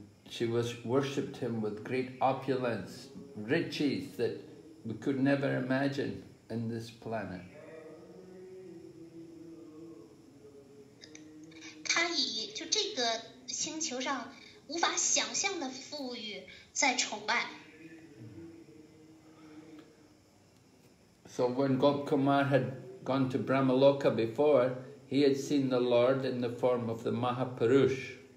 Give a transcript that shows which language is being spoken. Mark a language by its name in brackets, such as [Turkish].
[English] She was worshipped him with great opulence, riches that we could never imagine in this planet. [Chinese] 他以就这个星球上无法想象的富裕在崇拜。 [English] So when Gop Kumar had gone to Brahmaloka before, he had seen the Lord in the form of the Mahapurush.